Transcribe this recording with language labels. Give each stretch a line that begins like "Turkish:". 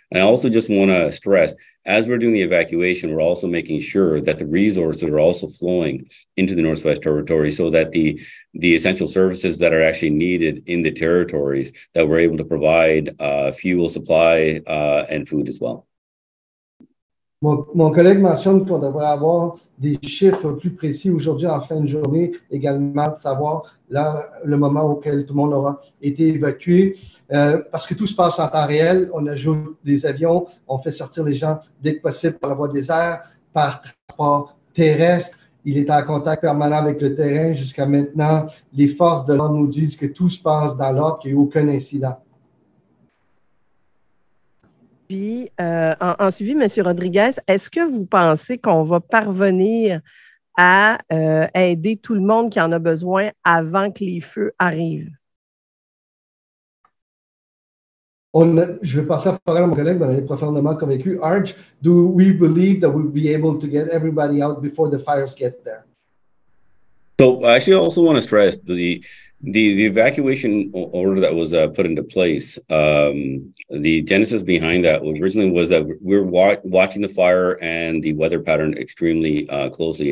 English: And I also just wanna stress, as we're doing the evacuation, we're also making sure that the resources are also flowing into the Northwest Territory so that the essential services that are actually needed in the territories that we're able to provide fuel supply and food as well.
French: Mon collègue mentionne qu'on devrait avoir des chiffres plus précis aujourd'hui en fin de journée également, de savoir là, le moment auquel tout le monde aura été évacué. Parce que tout se passe en temps réel, on ajoute des avions, on fait sortir les gens dès que possible par la voie des airs, par transport terrestre. Il est en contact permanent avec le terrain jusqu'à maintenant. Les forces de l'ordre nous disent que tout se passe dans l'ordre, qu'il n'y a eu aucun incident. Puis, en suivi, M. Rodriguez, est-ce que vous pensez qu'on va parvenir à aider tout le monde qui en a besoin avant que les feux arrivent? Je vais passer à parler à mon collègue, mais on est profondément convaincu.
English: Arj, do we believe that we'll be able to get everybody out before the fires get there? So, I actually also want to stress the evacuation order that was put into place, the genesis behind that originally was that we were watching the fire and the weather pattern extremely closely.